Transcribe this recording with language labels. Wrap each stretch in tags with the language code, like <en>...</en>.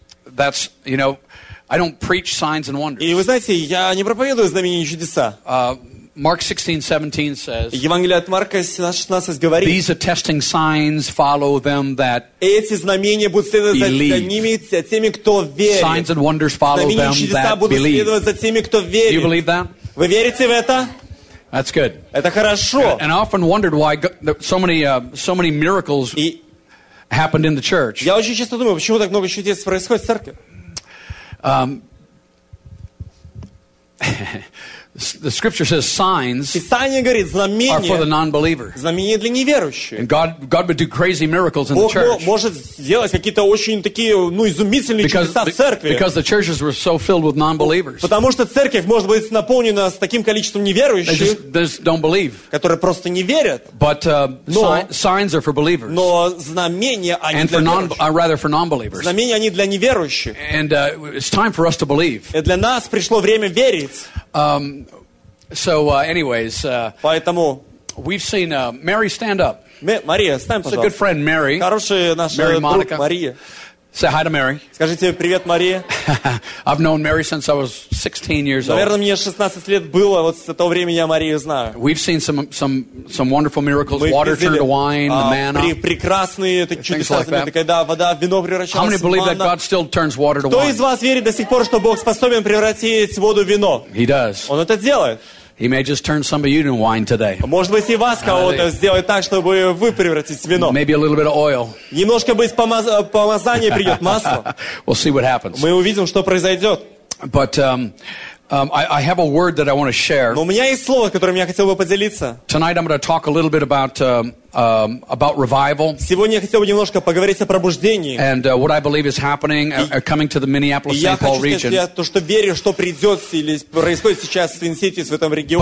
<en>That's, you know, I don't preach signs and wonders.</en> <ru>И вы знаете, я не проповедую знамения и чудеса.</ru> <en>Mark 16:17 says.</en> <ru>Евангелие от Марка 16:16 говорит.</ru> <en>These attesting signs follow them that believe.</en> <ru>Эти знамения будут следовать за ними, за теми, кто верит.</ru> <en>Signs and wonders follow them that believe.</en> <ru>Знамения и чудеса будут следовать за теми, кто верит.</ru> <en>Do you believe that?</en> <ru>Вы верите в это?</ru> <en>That's good.</en> <ru>Это хорошо.</ru> <en>And I often wondered why so many miracles happened in the church.</en> <ru>Я очень часто думаю, почему так много чудес происходит в церкви.</ru> <en>The scripture says signs</en> <ru>Писание говорит, знамения</ru> <en>are for the non-believer.</en> <ru>Знамения для неверующих.</ru> <en>And God would do crazy miracles in</en> <ru>Бог</ru> <en>the church.</en> <ru>Бог может сделать какие-то очень такие, ну, изумительные чудеса в церкви.</ru> <en>Because the churches were so filled with non-believers.</en> <ru>Потому что церковь может быть наполнена с таким количеством неверующих,</ru> <en>they just don't believe.</en> <ru>Которые просто не верят.</ru> <en>But signs are for believers.</en> <ru>Но знамения они</ru> <en>and</en> <ru>для</ru> <en>for non-believers.</en> <ru>Знамения они для неверующих.</ru> <en>And it's time for us to believe.</en> <ru>И для нас пришло время верить.</ru> <en>Anyways,</en> <ru>поэтому</ru> <en>We've seen Mary stand up.</en> <ru>Мария, встань, пожалуйста.</ru> <en>It's a good friend, Mary.</en> <ru>Хорошая наша друг Мария.</ru> <en>Say hi to Mary.</en> <ru>Скажите привет, Мария.</ru> <en>I've known Mary since I was 16 years old.</en> <ru>Наверное, мне 16 лет было, вот с того времени я Марию знаю.</ru> <en>We've seen some wonderful miracles.</en> <ru>Мы</ru> <en>water turned to wine, the manna.</en> <ru>Прекрасные такие чудеса, когда вода в вино превращалась.</ru> <en>How many believe that God still turns water to wine?</en> <ru>Кто из вас верит до сих пор, что Бог способен превратить воду в вино?</ru> <en>He does.</en> <ru>Он это делает.</ru> <en>He may just turn some of you into wine today.</en> <ru>Может быть, и вас кого-то сделать так, чтобы вы превратились в вино.</ru> <en>Maybe a little bit of oil.</en> <ru>Немножко быть помазание придет масло.</ru> <en>We'll see what happens.</en> <ru>Мы увидим, что произойдет.</ru> <en>But I have a word that I want to share.</en> <ru>Но у меня есть слово, которым я хотел бы поделиться.</ru> <en>Tonight I'm going to talk a little bit about revival.</en> <ru>Сегодня я хотел бы немножко поговорить о пробуждении.</ru> <en>And what I believe is happening, coming to the Minneapolis-St. Paul</en> <ru>хочу, region. Я то, что верю, что придет или происходит сейчас в Твин-Ситис в этом регионе.</ru>